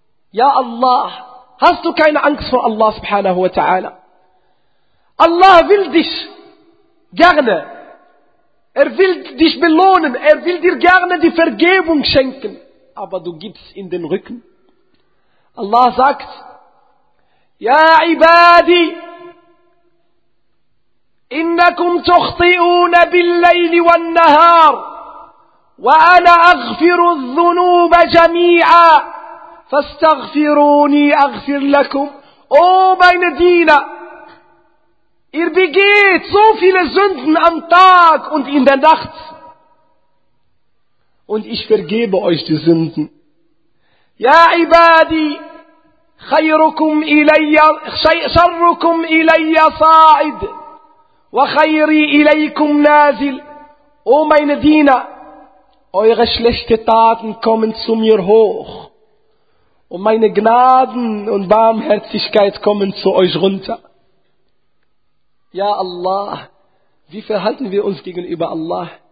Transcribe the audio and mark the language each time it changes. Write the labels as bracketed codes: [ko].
[de] Ja Allah, hast du keine Angst vor Allah subhanahu wa ta'ala? Allah will dich gerne. Er will dich belohnen. Er will dir gerne die Vergebung schenken. Aber du gibst in den Rücken. Allah sagt, [ar] يا عبادي إنكم تخطئون بالليل والنهار وأنا أغفر الذنوب جميعا فاستغفروني أغفر لكم. [de] O meine Diener, ihr begeht so viele Sünden am Tag und in der Nacht und ich vergebe euch die Sünden. [ar] يا عبادي خيركم إلي شركم إلي صاعد وخيري إليكم نازل. [de] O meine Diener, eure schlechten Taten kommen zu mir hoch und meine Gnaden und Barmherzigkeit kommen zu euch runter. Ja Allah, wie verhalten wir uns gegenüber Allah?